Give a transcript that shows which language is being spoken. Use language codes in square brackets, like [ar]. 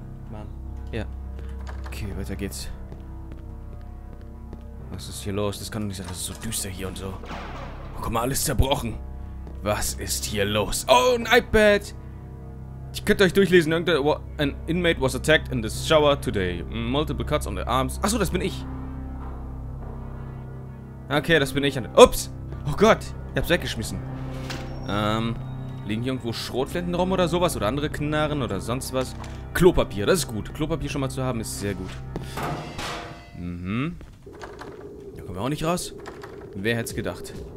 [de] Mann. Ja. Okay, weiter geht's. Was ist hier los? Das kann doch nicht sein. Das ist so düster hier und so. Oh, guck mal, alles zerbrochen. Was ist hier los? Oh, ein iPad! Ich könnte euch durchlesen. [en] An inmate was attacked in the shower today. Multiple cuts on the arms. [de] Achso, das bin ich. Okay, das bin ich. Ups! Oh Gott! Ich hab's weggeschmissen. Liegen hier irgendwo Schrotflinten rum oder sowas? Oder andere Knarren oder sonst was? Klopapier, das ist gut. Klopapier schon mal zu haben, ist sehr gut. Mhm. Da kommen wir auch nicht raus. Wer hätte es gedacht?